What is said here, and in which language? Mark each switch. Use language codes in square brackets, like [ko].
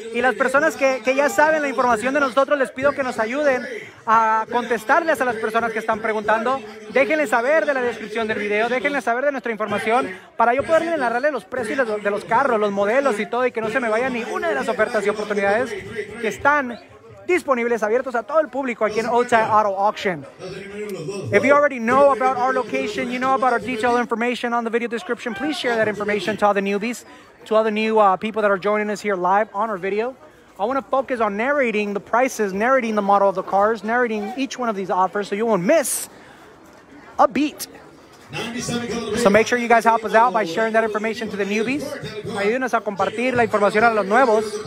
[es] Y las personas que ya saben la información de nosotros, les pido que nos ayuden a contestarles a las personas que están preguntando. Déjenles saber de la descripción del video, déjenles saber de nuestra información para yo poderle narrarle los precios de los carros, los modelos y todo, y que no se me vaya ni una de las ofertas y oportunidades que están disponibles, abiertos a todo el público aquí en Otay Auto Auction. [en] If you already know about our location, you know about our detailed information on the video description, please share that information to all the newbies, to all the new people that are joining us here live on our video. I want to focus on narrating the prices, narrating the model of the cars, narrating each one of these offers so you won't miss a beat. So make sure you guys help us out by sharing that information to the newbies. [es] Ayúdenos a compartir la información a los nuevos.